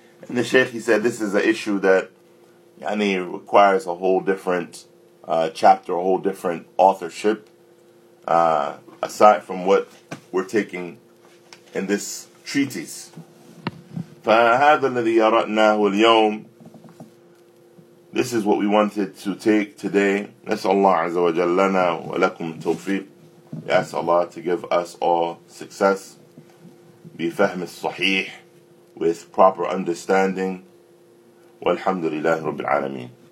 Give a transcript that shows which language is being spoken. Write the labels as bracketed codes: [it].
[en] And the Sheikh, he said, this is an issue that yani, requires a whole different chapter, a whole different authorship, aside from what we're taking in this treatise. [ar] فَهَذَا الَّذِي يَرَأْنَاهُ الْيَوْمِ [en] This is what we wanted to take today. [ar] نسأل الله عز وجل لنا ولكم التوفيق. [en] We ask Allah to give us all success. [ar] بفهم الصحيح. [en] With proper understanding. [ar] والحمد لله رب العالمين.